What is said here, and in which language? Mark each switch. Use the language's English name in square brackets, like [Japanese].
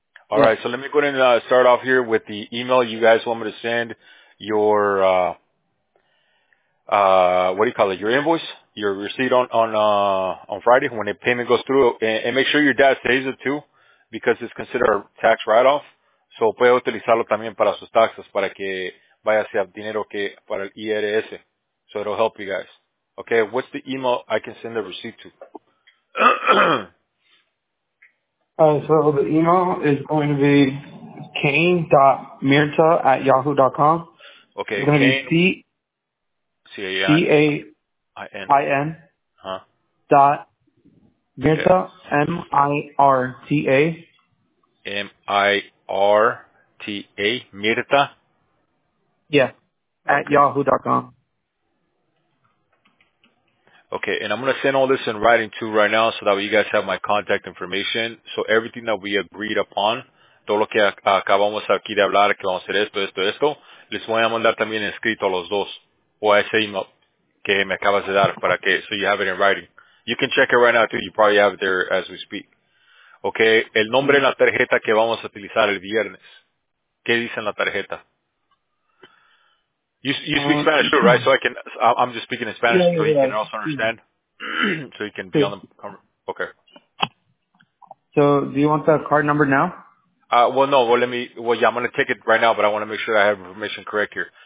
[English] All right, so let me go ahead and start off here with the email you guys want me to send your, what do you call it, your invoice, your receipt on Friday when the payment goes through. And make sure your dad stays it too, because it's considered a tax write-off. [Spanish] So puede utilizarlo también para sus taxes, para que vaya hacia dinero que para el IRS. [English] So it'll help you guys. Okay, what's the email I can send the receipt to? So the email is going to be kane.mirta@yahoo.com. Okay. It's going to be C-A-I-N. Mirta, M-I-R-T-A. M-I-R-T-A, Mirta? Yeah, at yahoo.com. Okay, and I'm going to send all this in writing too right now so that way you guys have my contact information. So everything that we agreed upon, [Spanish] todo lo que acabamos aquí de hablar, que vamos a hacer esto, les voy a mandar también escrito a los dos o a ese email que me acabas de dar para que, [English] so you have it in writing. You can check it right now too. You probably have it there as we speak. [Spanish] Okay, el nombre en la tarjeta que vamos a utilizar el viernes. ¿Qué dice en la tarjeta? [English] You speak Spanish too, right? So I'm just speaking in Spanish can also understand. So you can be on the okay. So do you want the card number now? I'm gonna take it right now, but I wanna make sure I have information correct here.